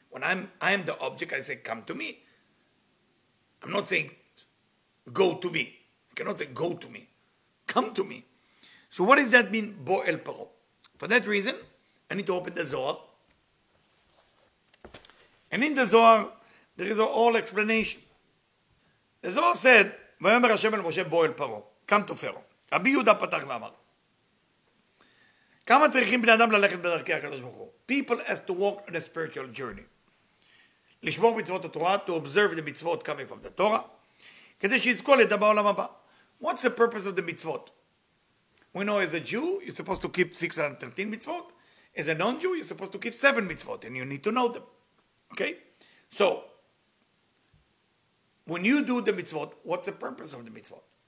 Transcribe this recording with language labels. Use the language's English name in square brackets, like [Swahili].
[English] When I am the object, I say come to me. I'm not saying go to me. I cannot say go to me. Come to me. So what does that mean, bo el Pharaoh? For that reason, I need to open the Zohar. And in the Zohar, there is an old explanation. The Zohar said, [Hebrew] ויאמר השם אל משה בוא אל פרעה, קם תו פרעה. רבי יהודה פתח ואמר, כמה צריכים בני אדם ללכת בדרכי הקדוש ברוך הוא? [English] People has to walk on a spiritual journey. [Hebrew] לשמור מצוות התורה, [English] to observe the מצוות coming from the Torah, [Hebrew] כדי שיזכו לדע בעולם הבא. [English] What's the purpose of the מצוות? We know as a Jew, you're supposed to keep 613 מצוות. As a non-Jew, you're supposed to keep 7 מצוות, and you need to know them. Okay? So, when you do the mitzvot, what's the purpose of the mitzvot?